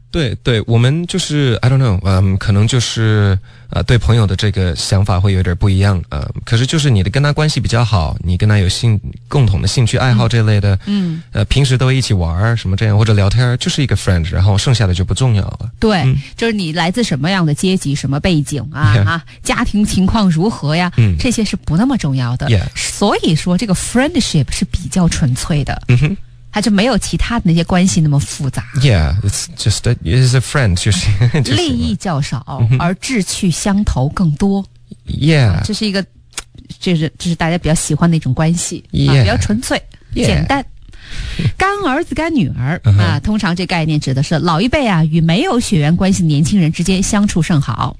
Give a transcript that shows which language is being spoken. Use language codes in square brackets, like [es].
[zh] 对对，我们就是 [en] I don't know, [zh] 可能就是对朋友的这个想法会有点不一样，可是就是你的跟他关系比较好，你跟他有共同的兴趣爱好这类的，平时都一起玩什么这样或者聊天，就是一个 friend, 然后剩下的就不重要了。对，就是你来自什么样的阶级，什么背景啊，家庭情况如何呀，这些是不那么重要的。所以说这个 friendship 是比较纯粹的。他就没有其他的那些关系那么复杂。 [en] Yeah, it's just a, it's a friend, 就是 [zh] 利益较少，而志趣相投更多。 Yeah, 这是一个，这是大家比较喜欢的一种关系。 Yeah, 比较纯粹、 yeah. 简单。干儿子干女儿、 uh-huh. 啊，通常这概念指的是老一辈啊与没有血缘关系的年轻人之间相处甚好、